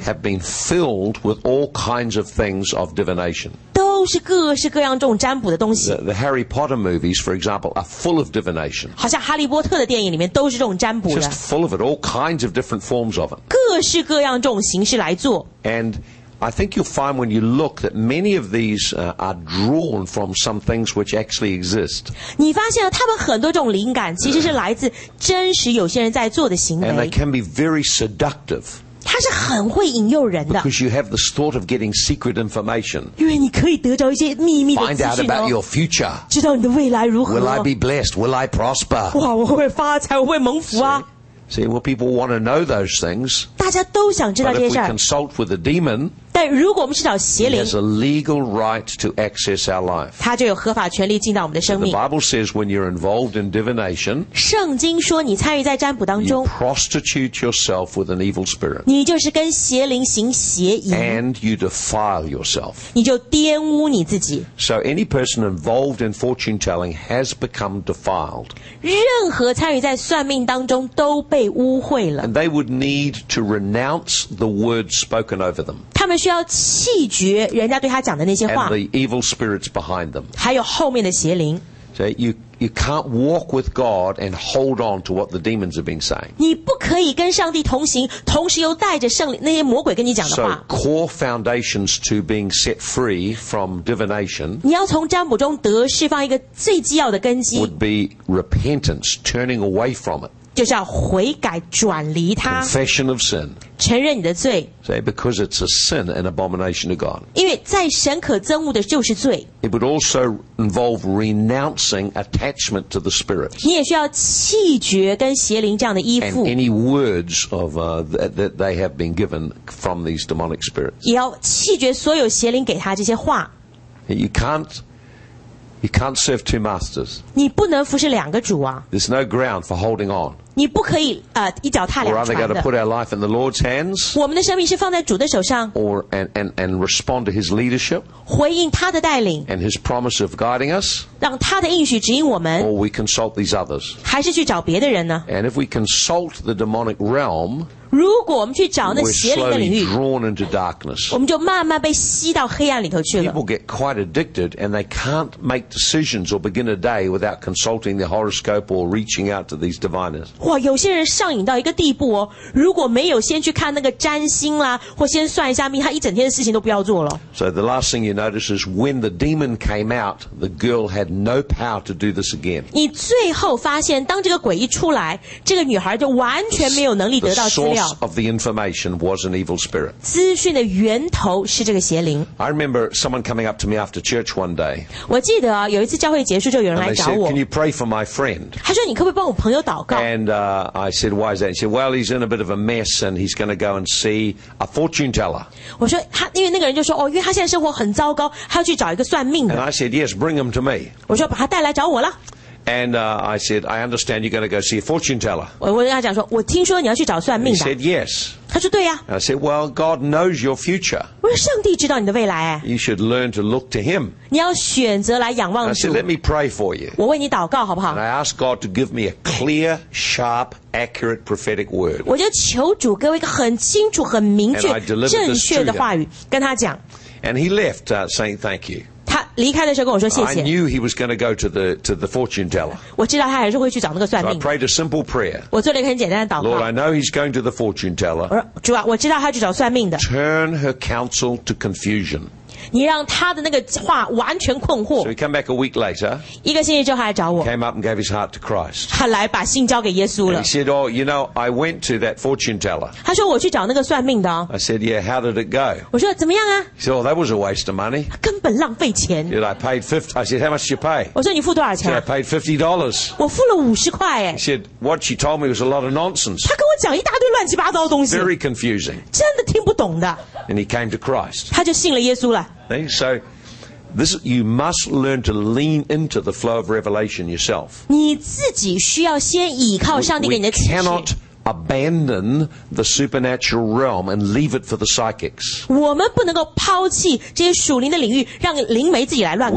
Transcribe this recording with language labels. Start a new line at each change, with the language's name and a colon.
English: have been filled with all kinds of things of divination.
Chinese: 都是各式各样这种占卜的东西。
English: The Harry Potter movies, for example, are full of divination.
Chinese: 好像哈利波特的电影里面都是这种占卜的。
English: Just full of it, all kinds of different forms of it.
Chinese: 各式各样这种形式来做。
English: And I think you'll find when you look that many of these are drawn from some things which actually exist.
Chinese: 你发现了他们很多这种灵感其实是来自真实有些人在做的行为。
English: And they can be very seductive.
Chinese: 它是很会引诱人的。
English: Because you have this thought of getting secret information.
Chinese: 因为你可以得着一些秘密的资讯哦。
English: Find out about your future.
Chinese: 知道你的未来如何。
English: Will I be blessed? Will I prosper?
Chinese: 哇，我会不会发财？我会蒙福啊！
English: See, well, people want to know those things.
Chinese: 大家都想知道这些事儿。
English: But if we consult with a demon,
Chinese: 但如果我们去找邪灵
English: he has a legal right to access our life.
Chinese: 他就有合法权利进到我们的生命。
English: The Bible says when you're involved in divination,
Chinese: 圣经说你参与在占卜当中
English: you prostitute yourself with an evil spirit.
Chinese: 你就是跟邪灵行邪淫
English: and you defile yourself.
Chinese: 你就玷污你自己。
English: So any person involved in fortune telling has become defiled.
Chinese: 任何参与在算命当中都被污秽了。
English: And they would need to renounce the words spoken over them.
Chinese: 他们需要弃绝人家对他讲的那些话。
English: And the evil spirits behind them.
Chinese: 还有后面的邪灵。
English: So you can't walk with God and hold on to what the demons have been saying.
Chinese: 你不可以跟上帝同行，同时又带着圣灵那些魔鬼跟你讲的话。
English: So core foundations to being set free from divination.
Chinese: 你要从占卜中得释放一个最基要的根基。
English: Would be repentance, turning away from it.
Chinese: 就是要悔改转离他
English: Confession of sin
Chinese: 承认你的罪
English: See, Because it's a sin an abomination to God
Chinese: 因为在神可憎恶的就是罪
English: It would also involve renouncing attachment to the spirit
Chinese: 你也需要弃绝跟邪灵这样的依附
English: And any words of, that they have been given from these demonic spirits
Chinese: 也要弃绝所有邪灵给他这些话
English: You can't serve two masters.
Chinese: 你不能服侍两个主啊。
English: There's no ground for holding on.
Chinese: 你不可以一脚踏两船的。
English: We're either going to put our life in the Lord's hands.
Chinese: 我们的生命是放在主的手上。
English: Or and respond to His leadership.
Chinese: 回应他的带领。
English: And His promise of guiding us.
Chinese: 让他的应许指引我们。
English: Or we consult these others.
Chinese: 还是去找别的人呢
English: ？And if we consult the demonic realm.
Chinese: 如果我们去找那邪灵的领域
English: We're slowly drawn into darkness.
Chinese: 我们就慢慢被吸到黑暗里头去了。
English: People get quite addicted and they can't make decisions or begin a day without consulting the horoscope or reaching out to these diviners.
Chinese: 哇，有些人上瘾到一个地步哦，如果没有先去看那个占星啦，或先算一下命，他一整天的事情都不要做了。
English: So the last thing you notice is when the demon came out, the girl had no power to do this again.
Chinese: 你最后发现，当这个鬼一出来，这个女孩就完全没有能力得到资料。
English: Of the information was an evil spirit.
Chinese: 资讯的源头是这个邪灵。
English: I remember someone coming up to me after church one day.
Chinese: 我记得啊，有一次教会结束就有人来找我。
English: Can you pray for my friend?
Chinese: 他说你可不可以帮我朋友祷告
English: ？And I said, why is that? He said, well, he's in a bit of a mess, and he's going to go and see a fortune teller.
Chinese: 我说他，因为那个人就说哦，因为他现在生活很糟糕，他要去找一个算命的。
English: And I said, yes, bring him to me.
Chinese: 我说把他带来找我了。
English: And I said, I understand you're going to go see a fortune teller.
Chinese: 我跟他讲说，我听说你要去找算命的。
English: He said yes.
Chinese: 他说对呀。
English: I said, well, God knows your future.
Chinese: 我说上帝知道你的未来。
English: You should learn to look to Him.
Chinese: 你要选择来仰望主。
English: I said, let me pray for you.
Chinese: 我为你祷告好不好
English: ？And I asked God to give me a clear, sharp, accurate prophetic word.
Chinese: 我就求主给我一个很清楚、很明确、正确的话语跟他讲。
English: And he left saying thank you.
Chinese: 他离开的时候跟我说谢谢。
English: I knew he was going to go to the fortune teller.
Chinese: 我知道他还是会去找那个算命。
English: So I prayed a simple prayer.
Chinese: 我做了一个很简单的祷告。
English: Lord, I know he's going to the fortune teller.
Chinese: 主啊，我知道他去找算命的。
English: Turn her counsel to confusion.
Chinese: 你让他的那个话完全困惑。
English: So he came back a week later.
Chinese: 一个星期之后他来找我。
English: Came up and gave his heart to Christ.
Chinese: 他来把心交给耶稣了。
English: And he said, "Oh, you know, I went to that fortune teller."
Chinese: 他说我去找那个算命的、哦。
English: I said, "Yeah, how did it go?"
Chinese: 我说怎么样啊
English: ？He said, "Oh, that was a waste of money."
Chinese: 根本浪费钱。
English: Did I pay 50? I said, "How much did you pay?"
Chinese: 我说你付多少钱
English: ？Did I pay $50?
Chinese: 我付了$50耶。
English: He said, "What she told me was a lot of nonsense."
Chinese: 他跟我讲一大堆乱七八糟的东西。
English: Very confusing.
Chinese: 真的听不懂的。
English: And he came to Christ.
Chinese: 他就信了耶稣了。
English: See? So, this, you must learn to lean into the flow of revelation yourself.
Chinese: 你自己需要先倚靠上帝给你的启示。
English: We cannot abandon the supernatural realm and leave it for the psychics.
Chinese: 我们不能够抛弃这些属灵的领域，让灵媒自己来乱搞。